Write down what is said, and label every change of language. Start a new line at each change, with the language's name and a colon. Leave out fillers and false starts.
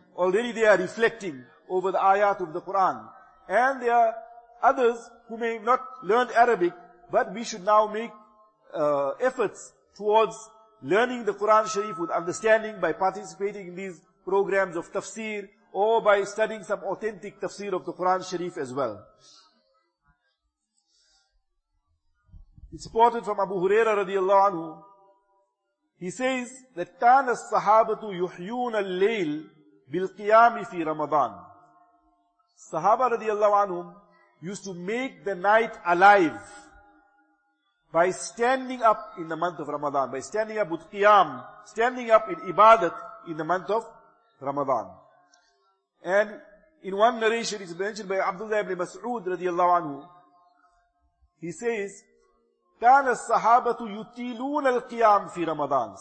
English: Already they are reflecting over the ayat of the Quran. And there are others who may have not learned Arabic, but we should now make efforts towards learning the Quran Sharif with understanding by participating in these programs of tafsir or by studying some authentic tafsir of the Quran Sharif as well. It's reported from Abu Huraira radiallahu anhu. He says that
Arabic: كَانَ الصَّحَابَةُ يُحْيُونَ اللَّيْلِ بِالْقِيَامِ فِي رَمَضَانِ.
English: Sahaba radiallahu anhum used to make the night alive by standing up in the month of Ramadan, by standing up with Qiyam, standing up in Ibadat in the month of Ramadan. And in one narration, it's mentioned by Abdullah ibn Mas'ud radiallahu anhu, he says,
Arabic: كَانَ الصَّحَابَةُ يُتِيلُونَ الْقِيَامِ فِي رَمَضَانِ.